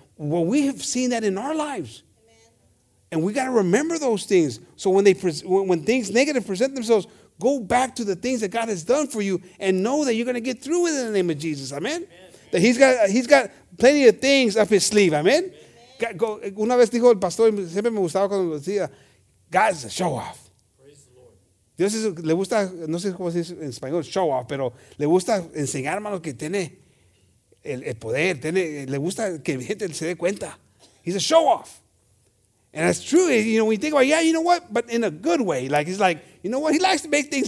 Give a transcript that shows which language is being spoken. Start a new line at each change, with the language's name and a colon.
English: Well, we have seen that in our lives, amen. And we got to remember those things. So when they when things negative present themselves, go back to the things that God has done for you and know that you're going to get through it in the name of Jesus, amen. Amen. That he's got plenty of things up his sleeve. Amen.
Spanish: Una vez dijo el pastor, siempre me gustaba cuando decía,
English: God is a show off.
Spanish: Dios es, le gusta, no sé cómo se dice en español, show off, pero le gusta enseñar, hermano, que tiene el poder, le gusta que gente se dé cuenta.
English: He's a show off. And that's true. You know, when you think about, yeah, you know what? But in a good way. Like, he's like, you know what? He likes to make things.